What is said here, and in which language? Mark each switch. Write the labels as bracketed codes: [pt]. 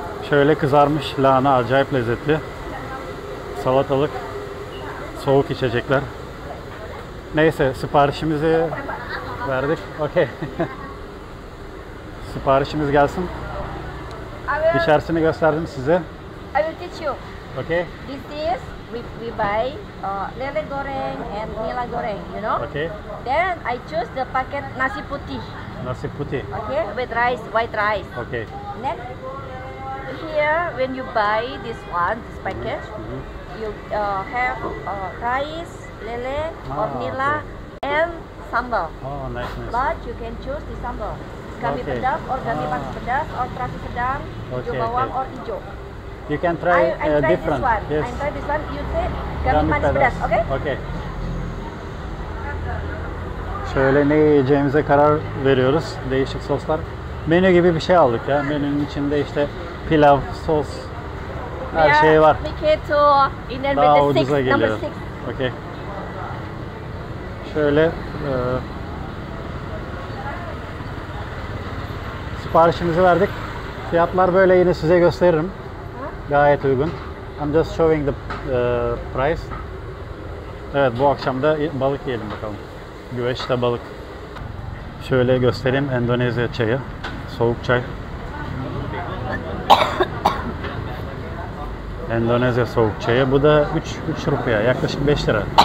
[tr] Şöyle kızarmış lahana, acayip lezzetli. Salatalık, soğuk içecekler. Neyse, siparişimizi verdik. Okay. Siparişimiz gelsin. İçerisini gösterdim size. [en] I will teach you. Okay. This is we buy lele goreng and nila goreng, you know? Okay. Then I choose the packet nasi putih. [id] Nasi putih. [en] Okay, with rice, white rice. Okay. Then here when you buy this one, this packet, mm-hmm. you have rice, lele or nila okay. and sambal. Oh, nice. But you can choose the sambal. Gami okay. pedas, or gami pedas, or terasi sedang, hijau bawang, or hijau. You can try different. This one. Yes. I'll try this one. You say gummy pedas. Okay? Okay. [tr] Şöyle ne yiyeceğimize karar veriyoruz. Değişik soslar. Menü gibi bir şey aldık ya. Menünün içinde işte pilav, sos, her şey var. Daha ucuza geliyor. [en] Okay. [tr] Şöyle siparişimizi verdik. Fiyatlar böyle, yine size gösteririm. Gayet uygun. [en] I'm just showing the price. [tr] Evet, bu akşam da balık yiyelim bakalım. Güveçte balık. Şöyle göstereyim, Endonezya çayı. Soğuk çay. Endonezya soğuk çayı. Bu da 3 rupiye. Yaklaşık 5 lira.